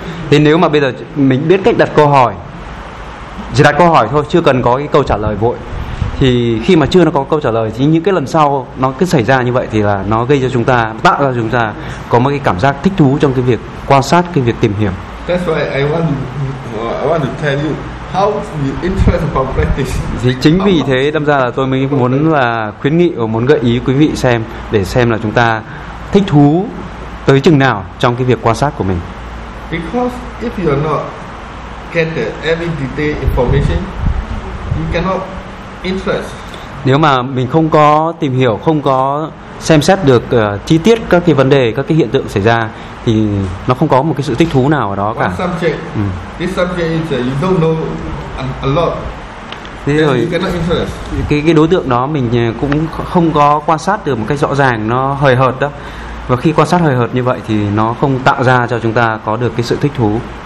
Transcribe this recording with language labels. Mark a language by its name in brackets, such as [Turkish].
[Vietnamese] Thì nếu mà bây giờ mình biết cách đặt câu hỏi, chỉ đặt câu hỏi thôi, chưa cần có cái câu trả lời vội, thì khi mà chưa nó có câu trả lời thì những cái lần sau nó cứ xảy ra như vậy, thì là nó gây cho chúng ta, tạo ra chúng ta có một cái cảm giác thích thú trong cái việc quan sát, cái việc tìm hiểu. [English] That's why I want to tell you how you interest about practice. [Vietnamese] Thì chính vì thế đâm ra là tôi mới muốn là khuyến nghị và muốn gợi ý quý vị xem, để xem là chúng ta thích thú tới chừng nào trong cái việc quan sát của mình. [English] Because if you are not get every detail information, you cannot interest. [Vietnamese] Nếu mà mình không có tìm hiểu, không có xem xét được chi tiết các cái vấn đề, các cái hiện tượng xảy ra, thì nó không có một cái sự thích thú nào ở đó cả. [English] This subject is you don't know a lot. [Vietnamese] Thế rồi cái đối tượng đó mình cũng không có quan sát được một cách rõ ràng, nó hời hợt đó. Và khi quan sát hời hợt như vậy thì nó không tạo ra cho chúng ta có được cái sự thích thú.